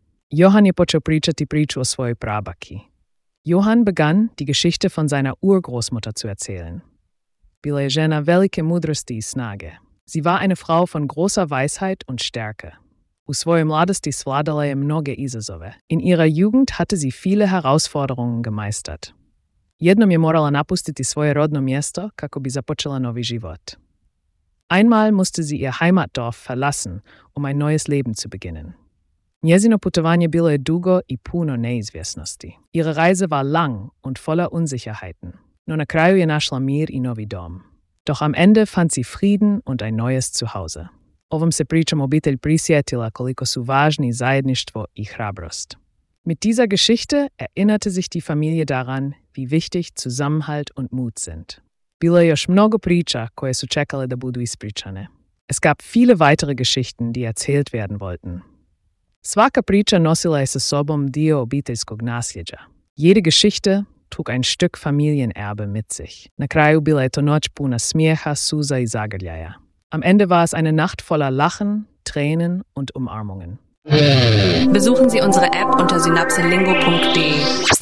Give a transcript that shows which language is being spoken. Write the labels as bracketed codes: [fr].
[hr] Johann je počeo pričati priču o svojoj prabaki. [de] Johann begann, die Geschichte von seiner Urgroßmutter zu erzählen. [hr] Bila je žena velike mudrosti i snage. [de] Sie war eine Frau von großer Weisheit und Stärke. [hr] U svojoj mladosti svladala je mnoge izazove. [de] In ihrer Jugend hatte sie viele Herausforderungen gemeistert. [hr] Jednom je morala napustiti svoje rodno mjesto, kako bi započela novi život. [de] Einmal musste sie ihr Heimatdorf verlassen, um ein neues Leben zu beginnen. [hr] Njezino putovanje bilo je dugo i puno neizvjesnosti. [de] Ihre Reise war lang und voller Unsicherheiten. [hr] No na kraju je našla mir i novi dom. [de] Doch am Ende fand sie Frieden und ein neues Zuhause. [hr] Ovom se pričom obitelj prisjetila koliko su važni zajedništvo i hrabrost. [de] Mit dieser Geschichte erinnerte sich die Familie daran, wie wichtig Zusammenhalt und Mut sind. [hr] Bilo je još mnogo priča koje su čekale da budu ispričane. [de] Es gab viele weitere Geschichten, die erzählt werden wollten. [hr] Svaka priča nosila je sa sobom dio obiteljskog nasljeđa. [de] Jede Geschichte trug ein Stück Familienerbe mit sich. [hr] Na kraju bila je to noć puna smijeha, suza i zagrljaja. [de] Am Ende war es eine Nacht voller Lachen, Tränen und Umarmungen. Besuchen Sie unsere App unter synapselingo.de.